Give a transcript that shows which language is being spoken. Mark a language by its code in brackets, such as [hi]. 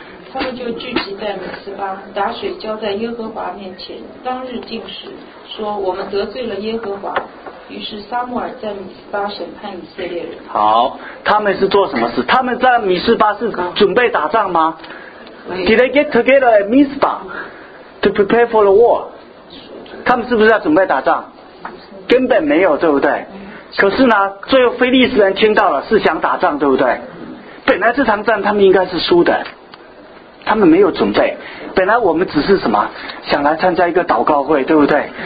[zh] 他们就聚集在米斯巴，打水浇在耶和华面前，当日进食，说我们得罪了耶和华。于是撒母耳在米斯巴审判以色列人。好，他们是做什么事？他们在米斯巴是准备打仗吗？ [en] Did they get together at Mizpah to prepare for the war? [zh] 他们是不是要准备打仗？根本没有，对不对？可是呢，最后非利士人听到了，是想打仗，对不对？本来这场战他们应该是输的，他们没有准备。本来我们只是什么，想来参加一个祷告会，对不对？